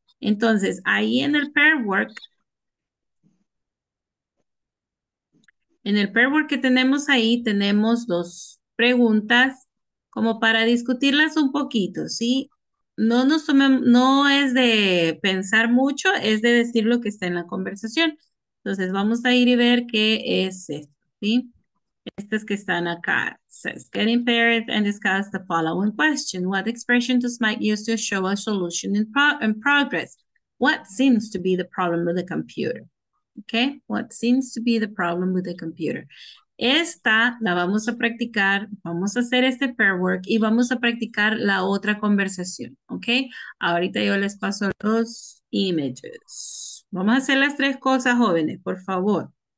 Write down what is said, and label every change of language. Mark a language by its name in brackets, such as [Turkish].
[Spanish] Entonces, ahí en el pair work que tenemos ahí, tenemos dos preguntas como para discutirlas un poquito, ¿sí? No es de pensar mucho, es de decir lo que está en la conversación. Entonces vamos a ir y ver qué es esto, ¿sí? Estas que están acá. [English] Says, get in paired and discuss the following question. What expression does Mike use to show a solution in progress? What seems to be the problem with the computer? Okay, what seems to be the problem with the computer? [Spanish] Esta la vamos a practicar, vamos a hacer este pair work y vamos a practicar la otra conversación, ¿ok? Ahorita yo les paso los images. Vamos a hacer las tres cosas, jóvenes, por favor.